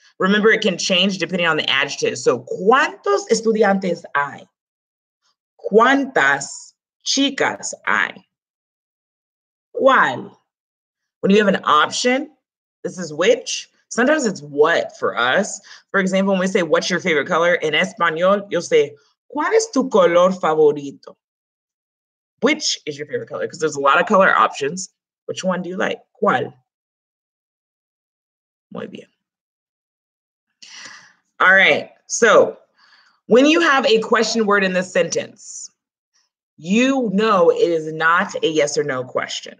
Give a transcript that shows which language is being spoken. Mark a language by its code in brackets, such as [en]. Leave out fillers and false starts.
[en] Remember, it can change depending on the adjective. So, [es] ¿cuántos estudiantes hay? ¿Cuántas chicas hay? ¿Cuál? [en] When you have an option, this is which. Sometimes it's what for us. For example, when we say, what's your favorite color? In Espanol, you'll say, [es] ¿cuál es tu color favorito? [en] Which is your favorite color? Because there's a lot of color options. Which one do you like? ¿Cuál? [es] Muy bien. [en] All right. So when you have a question word in this sentence, you know it is not a yes or no question.